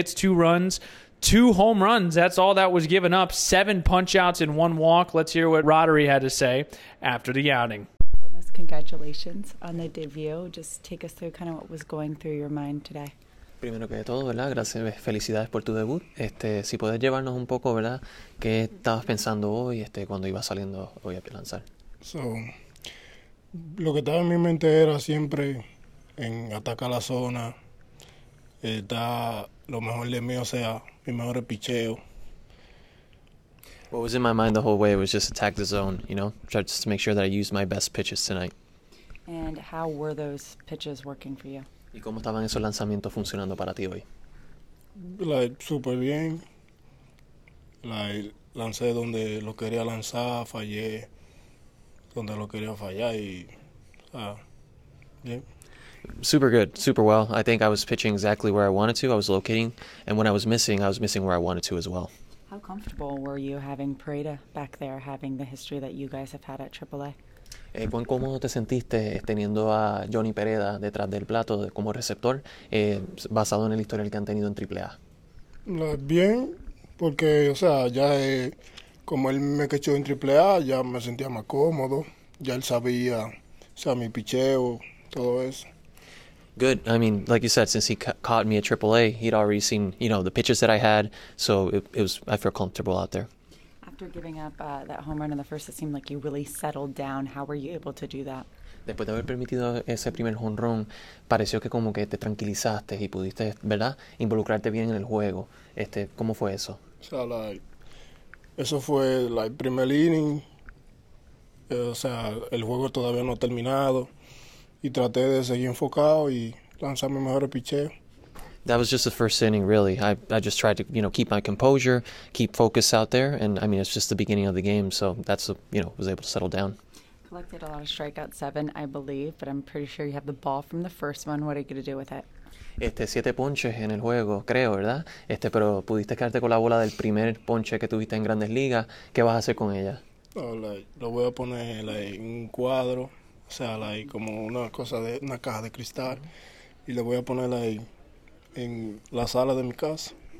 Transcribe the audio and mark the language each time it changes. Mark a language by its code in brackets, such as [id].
[en] 5 innings, 2 hits, 2 runs, 2 home runs. That's all that was given up. 7 punch outs and 1 walk. Let's hear what Rodri had to say after the outing. Congratulations on the debut. Just take us through kind of what was going through your mind today. [es] Primero que todo, ¿verdad? Gracias, felicidades por tu debut. Si puedes llevarnos un poco, ¿verdad? ¿Qué estabas pensando hoy, cuando ibas saliendo hoy a lanzar? So, lo que estaba en mi mente era siempre en atacar la zona. Lo mejor de mí, o sea, mi mejor picheo. [en] What was in my mind the whole way was just attack the zone, you know? Try just to make sure that I use my best pitches tonight. And how were those pitches working for you? [es] ¿Y cómo estaban esos lanzamientos funcionando para ti hoy? Like, súper bien. Like, lancé donde lo quería lanzar, fallé donde lo quería fallar y, bien. [en] Super good, super well. I think I was pitching exactly where I wanted to. I was locating, and when I was missing where I wanted to as well. How comfortable were you having Pareda back there, having the history that you guys have had at AAA? [es] ¿Cuán cómodo te sentiste teniendo a Johnny Pareda detrás del plato como receptor basado en el historial que han tenido en AAA? Bien, porque, o sea, ya como él me quechó en AAA, ya me sentía más cómodo. ya él sabía, o sea, mi picheo, todo eso. [en] Good. I mean, like you said, since he caught me at AAA, he'd already seen, you know, the pitches that I had, so I feel comfortable out there. After giving up that home run in the first, it seemed like you really settled down. How were you able to do that? [es] Después de haber permitido ese primer home run, pareció que como que te tranquilizaste y pudiste, ¿verdad?, involucrarte bien en el juego. ¿Cómo fue eso? O sea, like, eso fue el like, primer inning. O sea, el juego todavía no ha terminado. Y traté de seguir enfocado y lanzar mi mejor picheo. [en] That was just the first inning, really. I just tried to, you know, keep my composure, keep focus out there. And, I mean, it's just the beginning of the game, so that's, you know, was able to settle down. Collected a lot of strikeouts, 7, I believe, but I'm pretty sure you have the ball from the first one. What are you going to do with it? [es] 7 ponches en el juego, creo, ¿verdad? Pero pudiste quedarte con la bola del primer ponche que tuviste en Grandes Ligas. ¿Qué vas a hacer con ella? Oh, like, lo voy a poner en like, un cuadro, o sea, like, como una cosa de una caja de cristal, y lo voy a poner ahí en la sala de mi casa.